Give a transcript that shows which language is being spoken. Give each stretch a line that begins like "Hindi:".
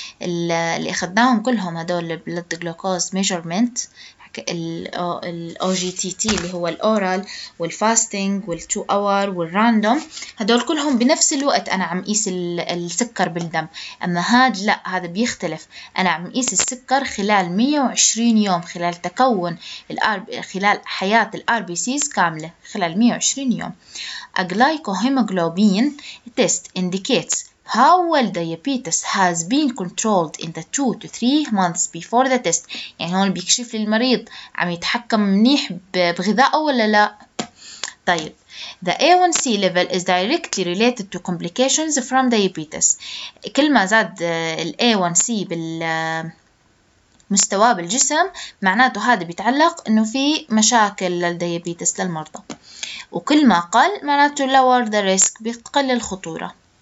Arabic: اللي أخذناهم كلهم هدول blood glucose measurement، ال OGTT اللي هو الأورال والفاستينج والتو أور والراندوم، هدول كلهم بنفس الوقت أنا عم قيس السكر بالدم. أما هاد لا، هذا بيختلف، أنا عم قيس السكر خلال 120 يوم، خلال تكون خلال حياة RBCs كاملة خلال 120 يوم.
English: A glycohemoglobin test indicates how well diabetes has been controlled in the 2 to 3 months before the test.
Arabic: يعني هون بيكشف للمريض عم يتحكم منيح بغذائه ولا لا. طيب
English: The A1C level is directly related to complications from diabetes.
Arabic: كل ما زاد الـ A1C بالمستوى بالجسم معناته هذا بيتعلق انه في مشاكل للديابيتس للمرضى، وكل ما قل معناته
English: lower the risk،
Arabic: بيقل الخطورة.